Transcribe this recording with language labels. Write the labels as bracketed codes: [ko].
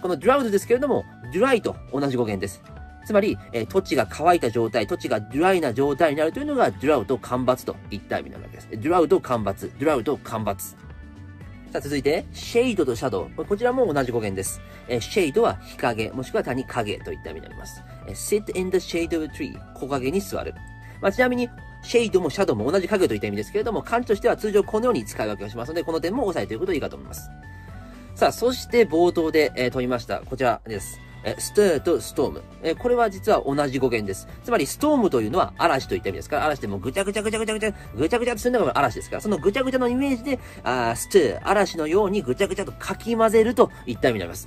[ja] この drought ですけれども、dry と同じ語源です。つまり、土地が乾いた状態、土地がドライな状態になるというのがドラウト、干ばつといった意味なわけです。ドラウト、干ばつ、ドラウト、干ばつ。さあ、続いてシェイドとシャドウ、こちらも同じ語源です。シェイドは日陰、もしくは谷陰といった意味になります。 [en] sit in the shade of a tree、 [ja] 木陰に座る。まあ、ちなみにシェイドもシャドウも同じ陰といった意味ですけれども、漢字としては通常このように使い分けをしますので、この点も押さえておくといいかと思います。さあ、そして冒頭で、問いましたこちらです。stir と storm、 これは実は同じ語源です。つまり storm というのは嵐といった意味ですから、嵐でもぐちゃぐちゃぐちゃぐちゃぐちゃぐちゃぐちゃとするのが嵐ですから、そのぐちゃぐちゃのイメージで stir、 嵐のようにぐちゃぐちゃとかき混ぜるといった意味になります。